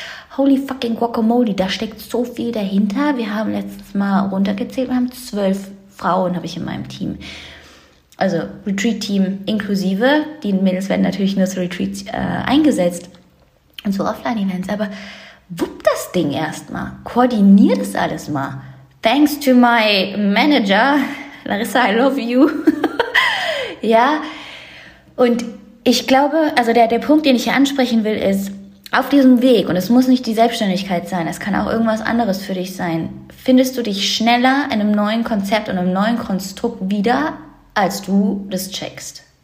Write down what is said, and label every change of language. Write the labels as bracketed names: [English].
[English] Holy fucking guacamole, [German] da steckt so viel dahinter. Wir haben letztens mal runtergezählt, wir haben 12 Frauen, habe ich in meinem Team. Also Retreat-Team inklusive. Die Mädels werden natürlich nur zu Retreats eingesetzt und so Offline-Events. Aber wupp das Ding erstmal, koordiniert das alles mal. [English] Thanks to my manager, Larissa, I love you. [German] Ja, und ich glaube, also der Punkt, den ich hier ansprechen will, ist, auf diesem Weg, und es muss nicht die Selbstständigkeit sein, es kann auch irgendwas anderes für dich sein, findest du dich schneller in einem neuen Konzept und einem neuen Konstrukt wieder, als du das checkst.